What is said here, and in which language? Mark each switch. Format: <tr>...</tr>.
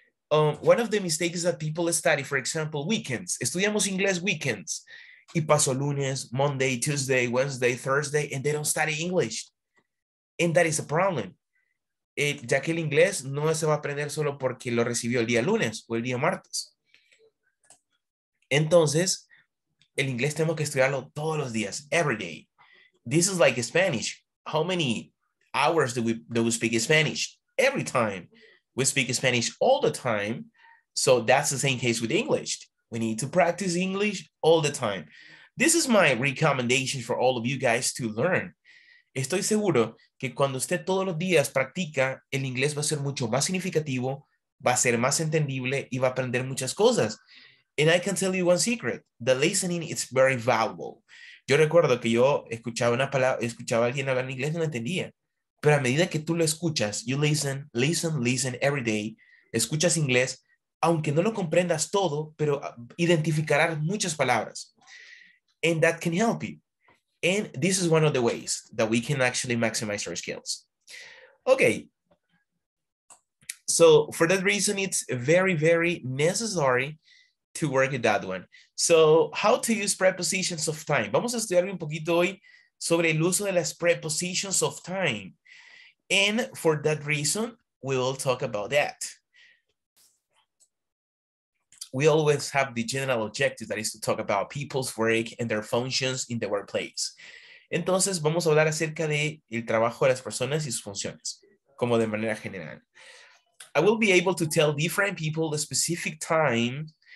<en>One of the mistakes that people study, for example, weekends.</en> <es>Estudiamos inglés</es> <en>weekends.</en> <es>Y paso lunes,</es> <en>Monday, Tuesday, Wednesday, Thursday, and they don't study English. And that is a problem.</en> <es>Ya que el inglés no se va a aprender solo porque lo recibió el día lunes o el día martes. Entonces, el inglés tenemos que estudiarlo todos los días,</es> <en>every day. This is like Spanish. How many hours do we speak Spanish? Every time. We speak Spanish all the time. So that's the same case with English. We need to practice English all the time. This is my recommendation for all of you guys to learn.</en> <es>Estoy seguro que cuando usted todos los días practica, el inglés va a ser mucho más significativo, va a ser más entendible y va a aprender muchas cosas.</es> <en>And I can tell you one secret. The listening is very valuable.</en> <es>Yo recuerdo que yo escuchaba una palabra, escuchaba a alguien hablar en inglés y no entendía. Pero a medida que tú lo escuchas,</es> <en>you listen, listen, listen every day,</en> <es>escuchas inglés, aunque no lo comprendas todo, pero identificarás muchas palabras.</es> <en>And that can help you. And this is one of the ways that we can actually maximize our skills. Okay. So for that reason, it's very, very necessary to work with that one. So how to use prepositions of time.</en> <es>Vamos a estudiar un poquito hoy sobre el uso de las prepositions of time.</es> <en>And for that reason, we will talk about that. We always have the general objective that is to talk about people's work and their functions in the workplace.</en> <es>Entonces, vamos a hablar acerca de el trabajo de las personas y sus funciones, como de manera general.</es> <en>I will be able to tell different people the specific time.</en>